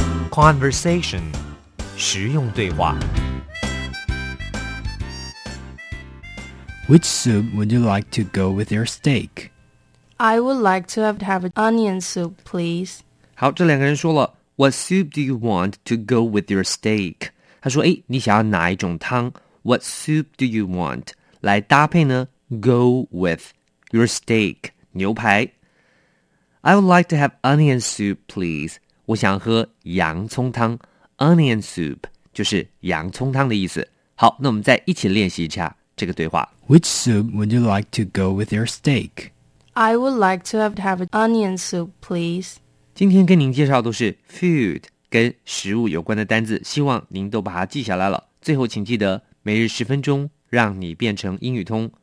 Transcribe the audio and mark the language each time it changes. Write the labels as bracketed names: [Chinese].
[Chinese] Conversation实用对话。 [English] Which soup would you like to go with your steak? I would like to have onion soup, please. 好，这两个人说了 What soup do you want to go with your steak? [Chinese] 他说，诶，你想要哪一种汤？ [English] What soup do you want? 来搭配呢， go with your steak, 牛排。 I would like to have onion soup, please. [Chinese] 我想喝洋葱汤。Onion soup 就是洋葱汤的意思。好，那我们再一起练习一下这个对话。 [English] Which soup would you like to go with your steak? I would like to have an onion soup, please. [Chinese] 今天跟您介绍的都是 food 跟食物有关的单字，希望您都把它记下来了。最后请记得每日十分钟，让你变成英语通。